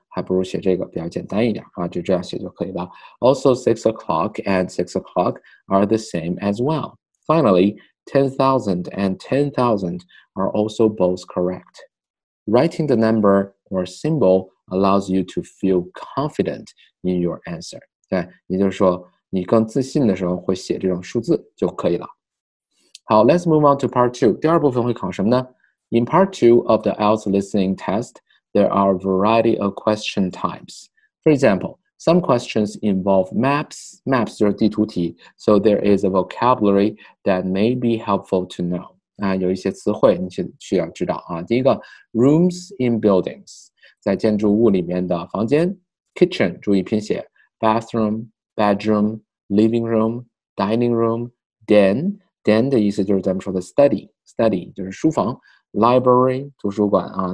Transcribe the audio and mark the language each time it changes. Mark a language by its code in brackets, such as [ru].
[zh] 还不如写这个比较简单一点啊，就这样写就可以了。 [en] Also, 6 o'clock and 6 o'clock are the same as well. Finally, 10,000 and 10,000 are also both correct. Writing the number or symbol allows you to feel confident in your answer. [zh] 对，也就是说，你更自信的时候会写这种数字就可以了。 [en] 好 ，Let's move on to part two. [zh] 第二部分会考什么呢 [en] ？In part two of the IELTS listening test. There are a variety of question types. For example, Some questions involve maps. Maps [zh] 就是地图题 [en] ，so there is a vocabulary that may be helpful to know. [zh] 啊，有一些词汇你需要知道啊。第一个 [en] ，rooms in buildings， [zh] 在建筑物里面的房间 [en] ，kitchen， [zh] 注意拼写 [en] ，bathroom， bedroom， living room， dining room， den。 [zh] den 的意思就是咱们说的 study， study 就是书房 ，library 图书馆啊。